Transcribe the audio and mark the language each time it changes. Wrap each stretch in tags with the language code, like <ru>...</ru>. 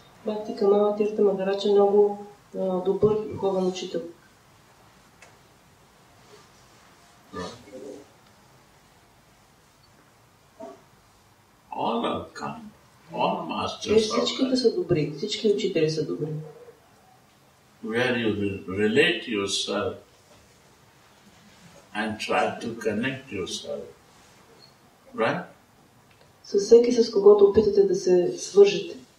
<bg>Бхакти Камал Тирт Махарадж е много добър духовен учител.</bg> <en>All are kind. All masters are kind.</en> <bg>Всичките са добри. Всички учители са добри.</bg> <en>Where you relate yourself and try to connect yourself. Right?</en> <bg>С всеки, с когото опитате да се свържете.</bg>